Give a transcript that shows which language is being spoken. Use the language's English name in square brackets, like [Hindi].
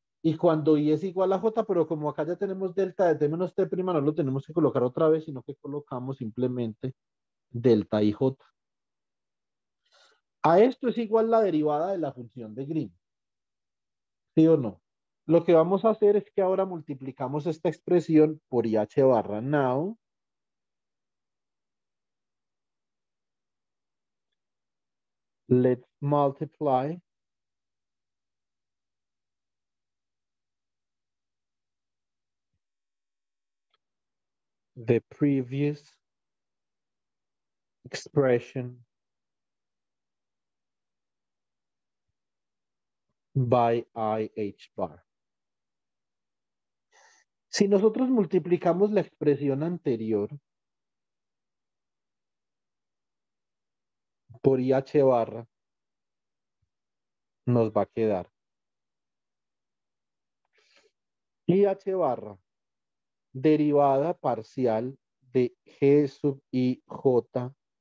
[Spanish] Y cuando I es igual a J, pero como acá ya tenemos delta de T menos T prima, no lo tenemos que colocar otra vez, sino que colocamos simplemente delta y J. A esto es igual la derivada de la función de Green. ¿Sí o no? Lo que vamos a hacer es que ahora multiplicamos esta expresión por IH barra now. [English] Let's multiply the previous expression by IH bar. [Spanish] Si nosotros multiplicamos la expresión anterior por IH barra, nos va a quedar IH barra derivada parcial de G sub IJ